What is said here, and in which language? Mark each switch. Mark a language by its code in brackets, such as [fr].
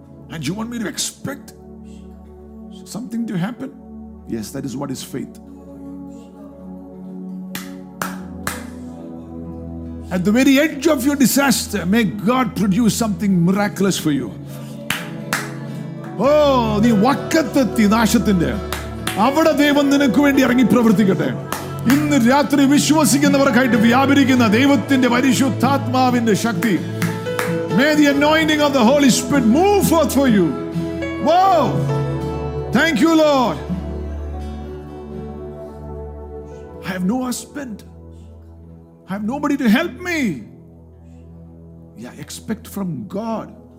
[en] And you want me to expect something to happen? Yes, that is what is faith. At the very edge of your disaster, may God produce something miraculous for you. [ml] Oh, നീ വക്കത്തെത്തി നാശത്തിന്റെ, അവിടെ ദൈവം നിനക്ക് വേണ്ടി ഇറങ്ങി പ്രവർത്തിക്കട്ടെ. ഇന്ന് രാത്രി വിശ്വസിക്കുന്നവർക്കായിട്ട് വ്യാപരിക്കുന്ന ദൈവത്തിന്റെ പരിശുദ്ധാത്മാവിന്റെ ശക്തി. [en] May the anointing of the Holy Spirit move forth for you. Wow! Thank you, Lord. I have no husband. I have nobody to help me. Yeah, expect from God.